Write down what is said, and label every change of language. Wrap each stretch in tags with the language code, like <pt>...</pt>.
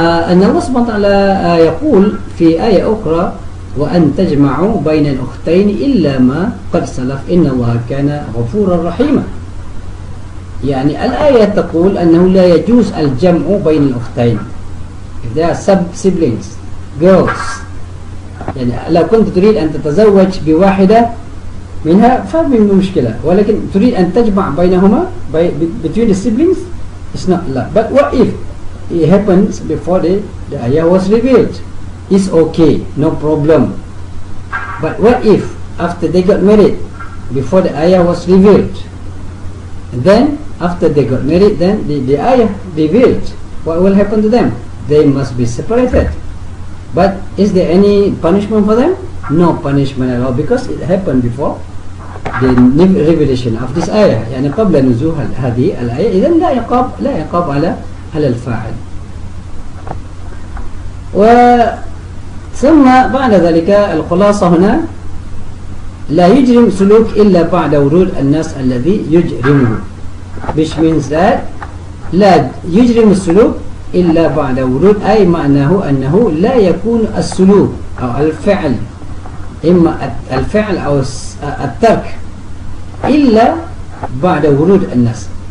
<ar>أن الله سبحانه وتعالى يقول في آية أخرى: وأن تجمعوا بين الأختين إلا ما قد سلف إن الله كان غفورا رحيما. يعني الآية تقول أنه لا يجوز الجمع بين الأختين.</ar> <en>If they are sub-siblings, girls.</en> <ar>يعني لو كنت تريد أن تتزوج بواحدة منها فمن مشكلة، ولكن تريد أن تجمع بينهما</ar> <en>between the siblings, it's not allowed. But what if it happens before the ayah was revealed? It's okay, no problem. But what if after they got married, before the ayah was revealed, then after they got married, then the ayah revealed, what will happen to them? They must be separated. But is there any punishment for them? No punishment at all, because it happened before the revelation of this ayah.</en> <ar>يعني قبل نزول هذه الآية إذن لا عقاب على الفاعل. ثم بعد ذلك الخلاصة هنا، لا يجرم سلوك إلا بعد ورود الناس الذي يجرمه،</ar> <en>which means that</en> <ar>لا يجرم السلوك إلا بعد ورود، أي معناه أنه لا يكون السلوك أو الفعل، إما الفعل أو الترك، إلا بعد ورود الناس.</ar>